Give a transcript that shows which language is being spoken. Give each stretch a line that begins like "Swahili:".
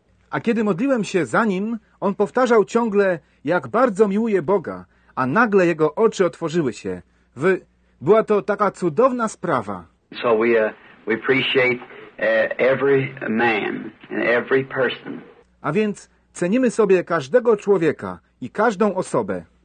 Polish: A kiedy modliłem się za nim, on powtarzał ciągle, jak bardzo miłuje Boga, a nagle jego oczy otworzyły się. Była to taka cudowna sprawa.
English: So we appreciate every man and every person.
Polish: A więc cenimy sobie każdego człowieka i każdą osobę.